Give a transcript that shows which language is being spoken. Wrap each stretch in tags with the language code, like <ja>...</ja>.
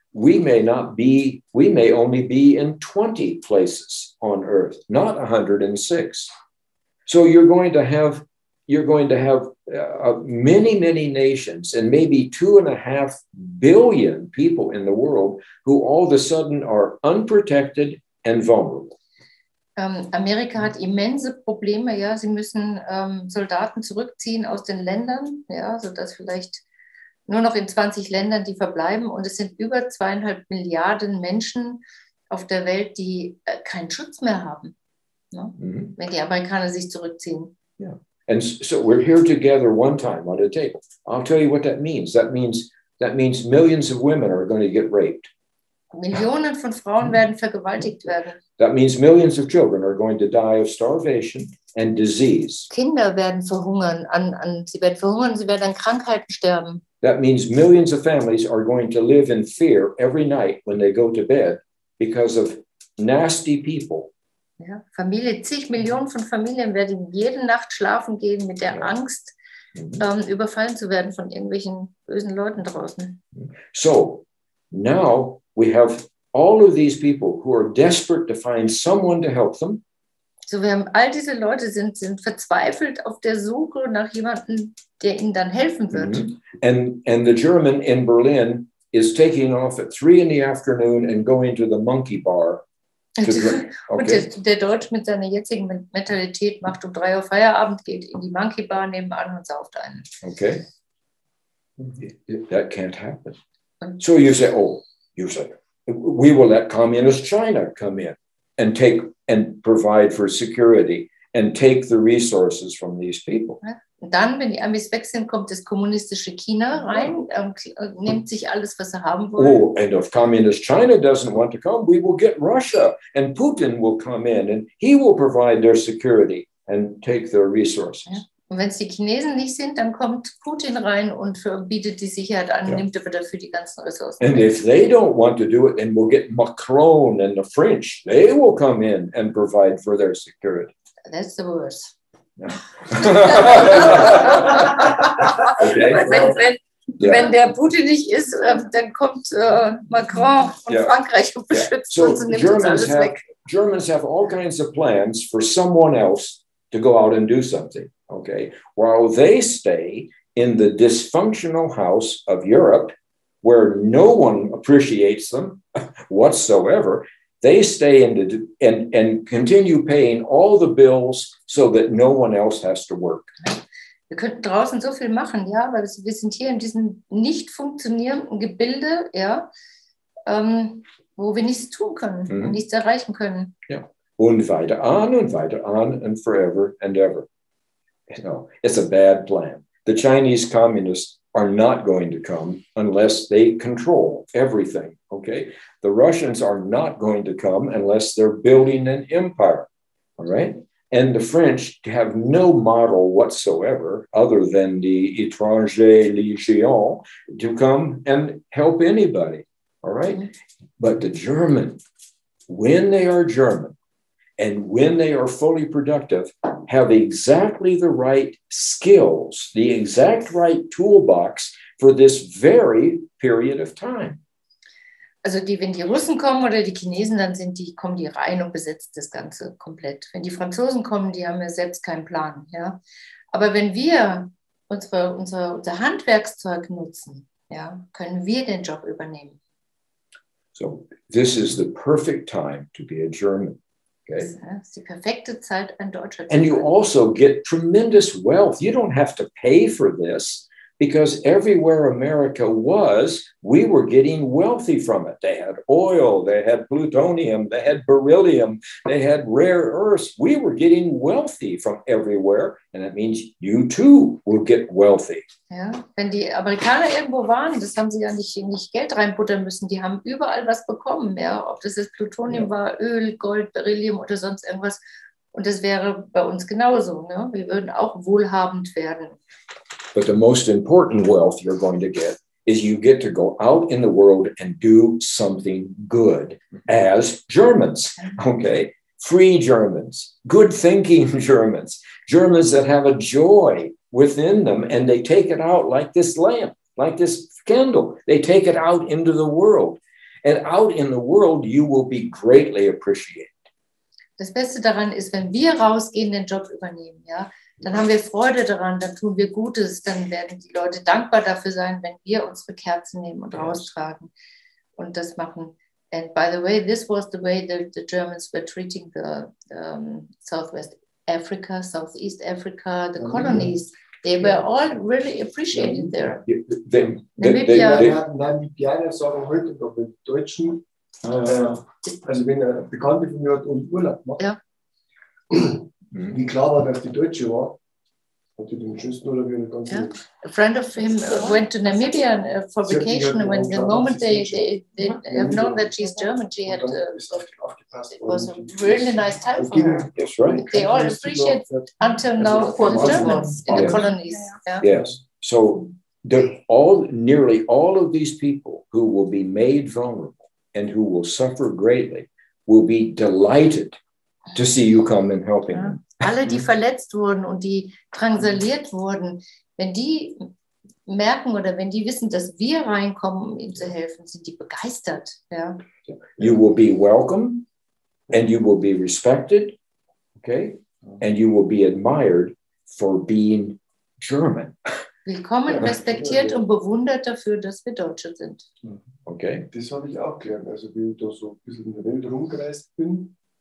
<en>we may only be in 20 places on earth, not 106. So you're going to have many, many nations and maybe 2.5 billion people in the world who all of a sudden are unprotected and vulnerable.</en> <de>Amerika hat immense Probleme, ja. Sie müssen Soldaten zurückziehen aus den Ländern, ja, sodass vielleicht nur noch in 20 Ländern die verbleiben. Und es sind über 2.5 Milliarden Menschen auf der Welt, die keinen Schutz mehr haben, ne? Mm-hmm. Wenn die Amerikaner sich zurückziehen.</de> <en>Yeah. And so we're here together one time on a table. I'll tell you what that means. That means millions of women are going to get raped.</en> <de>Millionen von Frauen werden vergewaltigt werden.</de> <en>That means millions of children are going to die of starvation and disease.</en> <de>Kinder werden verhungern, sie werden verhungern, sie werden an Krankheiten sterben.</de> <en>That means millions of families are going to live in fear every night when they go to bed because of nasty people.</en> <de>Ja, zig Millionen von Familien werden jede Nacht schlafen gehen mit der Angst, überfallen zu werden von irgendwelchen bösen Leuten draußen.</de> <en>So, now we have all of these people who are desperate to find someone to help them.</en> <de>So, wir haben all diese Leute sind verzweifelt auf der Suche nach jemandem, der ihnen dann helfen wird. Mm-hmm.</de> <en>And the German in Berlin is taking off at 3 p.m. and going to the monkey bar. Okay.</en> <de>Und der Deutsche mit seiner jetzigen Mentalität macht 3 Uhr Feierabend, geht in die Monkey Bar nebenan und sauft einen.</de> <en>Okay. That can't happen. So you say, oh, you say, we will let communist China come in and take and provide for security and take the resources from these people.</en> <de>Und dann, wenn die Amis weg sind, kommt das kommunistische China rein, nimmt sich alles, was sie haben wollen.</de> <en>Oh, and if communist China doesn't want to come, we will get Russia and Putin will come in and he will provide their security and take their resources.</en> <de>Ja. Und wenn es die Chinesen nicht sind, dann kommt Putin rein und bietet die Sicherheit an, yeah, nimmt aber dafür die ganzen Ressourcen.</de> <en>And if they don't want to do it, then we'll get Macron and the French. They will come in and provide for their security. That's the worst. Yeah.</en> <de>Okay, wenn der Putin nicht ist, dann kommt Macron und yeah, Frankreich und beschützt yeah, so uns und nimmt</de> <en>Germans</en> <de>uns alles</de> <en>have,</en> <de>weg.</de> <en>Germans have all kinds of plans for someone else to go out and do something. Okay, while they stay in the dysfunctional house of Europe, where no one appreciates them whatsoever, they stay in the and continue paying all the bills so that no one else has to work.</en> <de>Wir könnten draußen so viel machen, ja, weil wir sind hier in diesem nicht funktionierenden Gebilde, ja, wo wir nichts tun können, mm-hmm, nichts erreichen können. Ja, und weiter an</de> <en>and forever and ever. You know, it's a bad plan. The Chinese communists are not going to come unless they control everything, okay? The Russians are not going to come unless they're building an empire, all right? And the French have no model whatsoever other than the étranger légion to come and help anybody, all right? But the German, when they are German, and when they are fully productive, have exactly the right skills, the exact right toolbox for this very period of time.</en> <de>Also die, wenn die Russen kommen oder die Chinesen, dann sind die, kommen die rein und besetzt das Ganze komplett. Wenn die Franzosen kommen, die haben ja selbst keinen Plan. Ja? Aber wenn wir unser Handwerkszeug nutzen, ja, können wir den Job übernehmen.</de> <en>So, this is the perfect time to be a German. Okay.</en> <de>Das ist die perfekte Zeit, ein Deutscher zu</de> <en>sein. And you also get tremendous wealth. You don't have to pay for this, because everywhere America was, we were getting wealthy from it. They had oil, they had plutonium, they had beryllium, they had rare earths. We were getting wealthy from everywhere, and that means you too will get wealthy.</en> <de>Ja, wenn die Amerikaner irgendwo waren, das haben sie ja nicht Geld reinbuttern müssen, die haben überall was bekommen, ja, ob das jetzt Plutonium ja war, Öl, Gold, Beryllium oder sonst irgendwas. Und das wäre bei uns genauso, ne? Wir würden auch wohlhabend werden.</de> <en>But the most important wealth you're going to get is you get to go out in the world and do something good as Germans, okay? Free Germans, good thinking Germans, Germans that have a joy within them and they take it out like this lamp, like this candle. They take it out into the world. And out in the world, you will be greatly appreciated.</en> <de>Das Beste daran ist, wenn wir rausgehen, den Job übernehmen, ja, dann haben wir Freude daran, dann tun wir Gutes, dann werden die Leute dankbar dafür sein, wenn wir unsere Kerzen nehmen und raustragen und das machen.</de> <en>And by the way, this was the way the Germans were treating the Southwest Africa, Southeast Africa, the colonies. They were all really appreciated there. Namibia.</en> <de>Namibia sagen heute noch den Deutschen, also wenn er Bekannte von mir hat und Urlaub macht, wie klar war, dass die Deutsche war, hat die den schönsten Urlaub in der ganzen</de> <en>A friend of him went to Namibia for vacation, and when the moment they have known that she's German, she had it was a really nice time for her. That's right. They all appreciate until now for the Germans in the colonies. Yeah. Yes. So nearly all of these people who will be made vulnerable and who will suffer greatly will be delighted to see you come and helping them.</en> <de>Alle, die verletzt wurden und die drangsaliert wurden, wenn die merken oder wenn die wissen, dass wir reinkommen, um ihnen zu helfen, sind die begeistert. Ja.</de> <en>You will be welcome and you will be respected, okay? And you will be admired for being German.</en> <de>Willkommen, respektiert und bewundert dafür, dass wir Deutsche sind. Okay. Das habe ich auch gelernt. Also wie ich da so ein bisschen in der Welt rumgereist bin,</de>